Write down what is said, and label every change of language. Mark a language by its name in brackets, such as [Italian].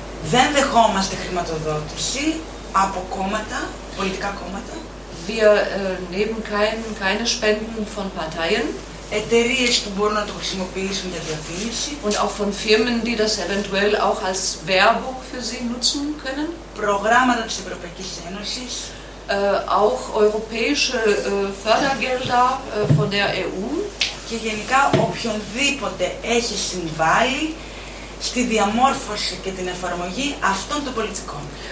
[Greek] Δεν δεχόμαστε χρηματοδότηση από κόμματα, πολιτικά κόμματα. [German] Wir nehmen keine Spenden von Parteien. [Greek] Εταιρείες που μπορούν να το χρησιμοποιήσουν για διαφήμιση. [German] Und auch von Firmen, die das eventuell auch als Werbung für sie nutzen können. [Greek] Προγράμματα της Ευρωπαϊκής Ένωσης. [German] Auch europäische Fördergelder von der EU. [Greek] Και γενικά οποιονδήποτε έχει συμβάλει στη διαμόρφωση και την εφαρμογή αυτών των πολιτικών.